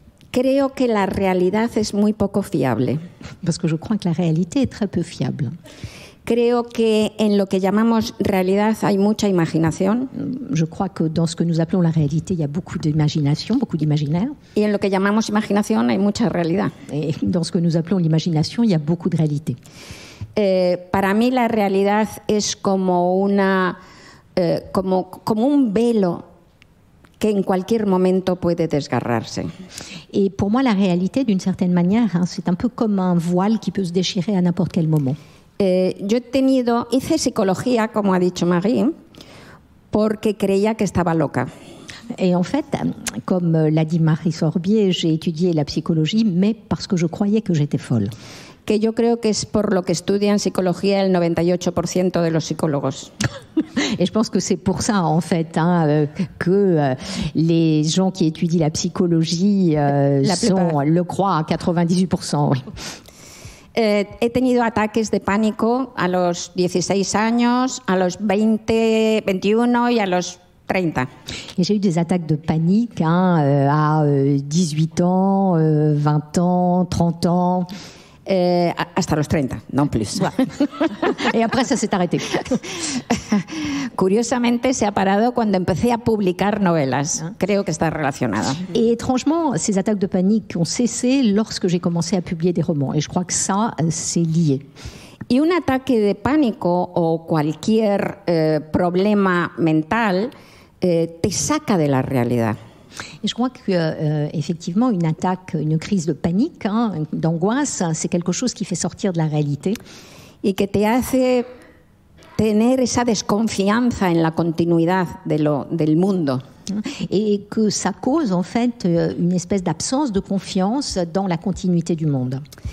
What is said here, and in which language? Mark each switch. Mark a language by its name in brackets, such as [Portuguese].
[Spanish] Creo que la realidad es muy poco fiable. [French] Parce que je crois que la réalité est très peu fiable. [Spanish] Creo que en lo que llamamos realidad hay mucha imaginación. [French] Je crois que dans ce que nous appelons la réalité, il y a beaucoup d'imagination, beaucoup d'imaginaire. [Spanish] Y en lo que llamamos imaginación hay mucha realidad. [French] Et dans ce que nous appelons l'imagination, il y a beaucoup de réalité. [Spanish] Para mí la realidad es como una como un velo que en cualquier momento puede desgarrarse. [French] Et pour moi la réalité d'une certaine manière, hein, c'est un peu comme un voile qui peut se déchirer à n'importe quel moment. [Spanish] Hice psicología, como ha dicho Marie, porque creía que estaba loca. [French] Et en fait, comme l'a dit Marie Sorbier, j'ai étudié la psychologie, mais parce que je croyais que j'étais folle. [Spanish] Que yo creo que es por lo que estudian psicología el 98% de los psicólogos. [French] Et je pense que c'est pour ça, en fait, hein, que les gens qui étudient la psychologie le croient à 98%. Oui. [Spanish] He tenido ataques de pánico a los 16 años, a los 21 y a los 30. [French] Et j'ai eu des attaques de panique hein, à 18 ans, 20 ans, 30 ans. [Spanish] Hasta los 30, [French] non plus. Ouais. Et après, ça s'est arrêté. [Spanish] Curiosamente, se ha parado cuando empecé a publicar novelas. Creo que está relacionado. [French] Et étrangement, ces attaques de panique ont cessé lorsque j'ai commencé à publier des romans. Et je crois que ça, c'est lié. [Spanish] Y un ataque de pánico o cualquier problema mental te saca de la realidad. [French] Et je crois qu'effectivement, une attaque, une crise de panique, hein, d'angoisse, c'est quelque chose qui fait sortir de la réalité. Et qui te fait tenir cette [Spanish] desconfianza en la [French] continuité [Spanish] del mundo. [French] Et que ça cause en fait une espèce d'absence de confiance dans la continuité du monde.